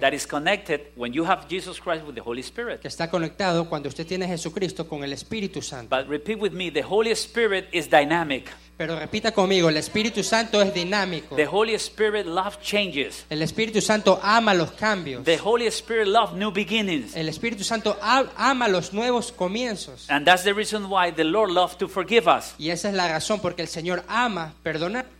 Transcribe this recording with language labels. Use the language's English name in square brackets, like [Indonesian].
[English] That is connected when you have Jesus Christ with the Holy Spirit. [Spanish] Que está conectado cuando usted tiene a Jesucristo con el Espíritu Santo. [English] But repeat with me, the Holy Spirit is dynamic. [Spanish] Pero repita conmigo, el Espíritu Santo es dinámico. [English] The Holy Spirit loves changes. [Spanish] El Espíritu Santo ama los cambios. [English] The Holy Spirit loves new beginnings. [Spanish] El Espíritu Santo ama los nuevos comienzos. [English] And that's the reason why the Lord loves to forgive us. [Spanish] Y esa es la razón porque el Señor ama perdonar.